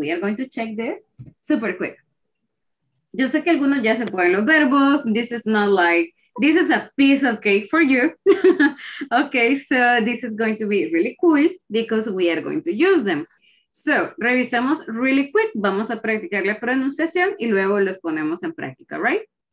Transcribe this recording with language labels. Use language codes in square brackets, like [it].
[en] We are going to check this super quick. [es] Yo sé que algunos ya se pueden los verbos. [en] This is not like this is a piece of cake for you. Okay, so this is going to be really cool because we are going to use them. So, [es] revisemos [en] really quick. [es] Vamos a practicar la pronunciación y luego los ponemos en práctica, right?